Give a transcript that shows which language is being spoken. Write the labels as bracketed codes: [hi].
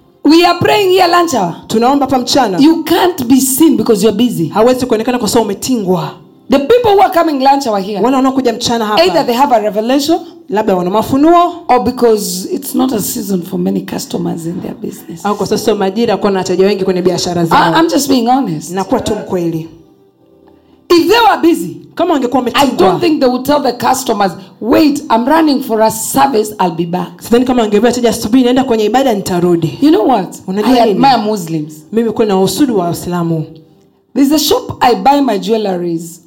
[en] We are praying here lunch hour. [sw] Tunaomba hapa mchana. [en] You can't be seen because you are busy. [sw] Hawezi kuonekana kwa sababu umetingwa. [en] The people who are coming lunch hour here. [sw] Wale wanaokuja mchana hapa. [en] Either they have a revelation, [sw] labda wana mafunuo, [en] or because it's not a season for many customers in their business. [sw] Au kwa sababu sio majira kwa na wateja wengi kwenye biashara zao. [en] I'm just being honest. [sw] Nakuwa tu mkweli. [en] If they were busy, [sw] kama wangekuwa wametingwa, [en] I don't think they would tell the customers, "Wait, I'm running for a service, I'll be back." [sw] Sidhani kama wangeambia wateja, "Subiri naenda kwenye ibada nitarudi." [en] You know what? [sw] Unajua nini? [en] I admire Muslims. [sw] Mimi kuna usudu wa Uislamu. [en] There's a shop I buy my jewelries.